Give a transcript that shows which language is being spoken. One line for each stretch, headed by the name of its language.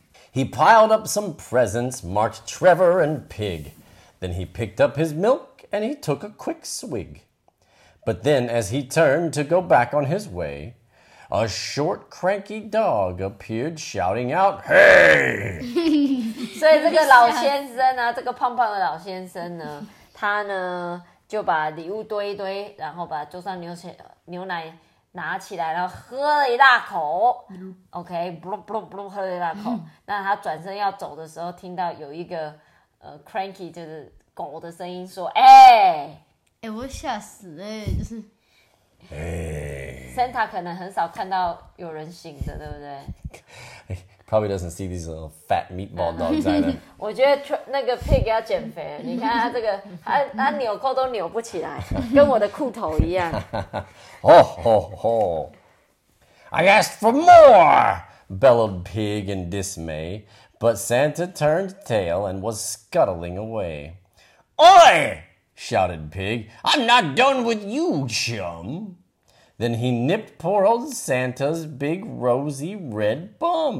English: He piled up some presents marked Trevor and Pig. Then he picked up his milk and he took a quick swig. But then as he turned to go back on his way,A short, cranky dog appeared, shouting out, "Hey!"
Chinese: 所以这个老先生呢、啊，这个胖胖的老先生呢，他呢就把礼物堆一堆，然后把桌上牛奶拿起来，然后喝了一大口。 OK， 噗噗噗，喝了一大口。那他转身要走的时候，听到有一个cranky 就是狗的声音说，哎、欸，我吓死哎、欸，就是。
English: Hey.
Chinese: Santa 可能很少看到有人醒着，对不对
English: ？Probably doesn't see these little fat meatball dogs either.
Chinese: 我觉得那个 Pig 要减肥，你看他这个，他纽扣都扭不起来，跟我的裤头一样。
English: Oh, oh, oh! I asked for more, bellowed Pig in dismay, but Santa turned tail and was scuttling away. Oi! Shouted Pig, I'm not done with you, chum. Then he nipped poor old Santa's big rosy red bum.